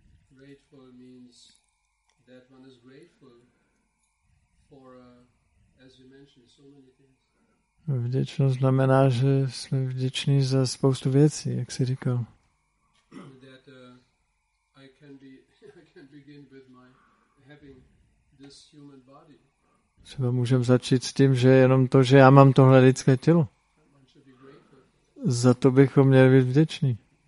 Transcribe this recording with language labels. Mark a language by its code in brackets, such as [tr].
[en] Grateful means that one is grateful for, as you mentioned, so many things. [cs] Vděčnost znamená, že jsme vděční za spoustu věcí, jak jsi říkal. [en] That I can begin with my having this human body. [cs] Třeba můžeme začít s tím, že jenom to, že já mám tohle lidské tělo. Za to bychom měli být vděční.